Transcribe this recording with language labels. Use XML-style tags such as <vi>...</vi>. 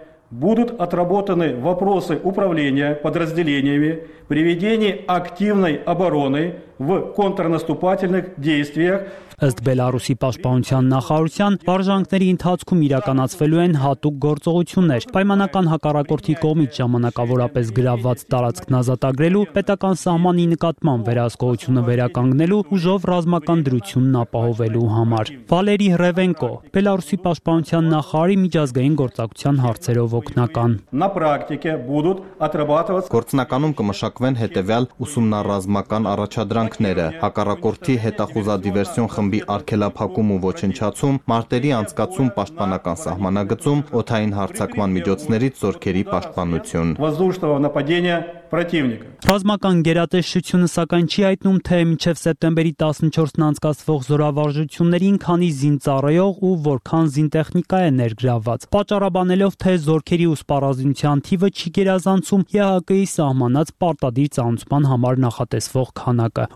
<ru>Будут отработаны вопросы управления подразделениями, приведения активной обороны в контрнаступательных действиях.</ru> <hy>Ըստ Բելարուսի պաշտպանության նախարարության, վարժանքների ընթացքում իրականացվելու են հատուկ գործողություններ։ Պայմանական հակառակորդի կողմից ժամանակավորապես գրաված տարածքն ազատագրելու, պետական սահմանի նկատմամբ վերահսկողությունը վերականգնելու ուժով ռազմական դրությունն ապահովելու համար։ Վալերի Ռևենկո, Բելարուսի պաշտպանության նախարարի միջազգային գործակցության հարցերով օգնական։</hy> <ru>На практике будут отрабатываться</ru> <hy>Գործնականում կմշակվեն հետևյալ ուսումնառազմական առաջադրանքները, հակառակորդի հետախուզա դիվերսիոն խմբի արգելափակում ու ոչնչացում, մարտերի անցկացում պաշտպանական սահմանագծում, օթային հարձակման միջոցներից զորքերի պաշտպանություն։</hy> <ru>Воздушного нападения противника.</ru> <hy>Ռազմական գերատեսչությունը սակայն չի հայտնում, թե մինչև սեպտեմբերի 14-ն անցկացվող զորավարժություններին քանի զինծառայող ու որքան զինտեխնիկա է ներգրավված։ Պատճառաբանելով, թե զորքերի ու սպառազինության թիվը չի գերազանցում ԵՀԿ-ի սահմանած պարտադիր ծառայության համար նախատեսվող քանակը։</hy>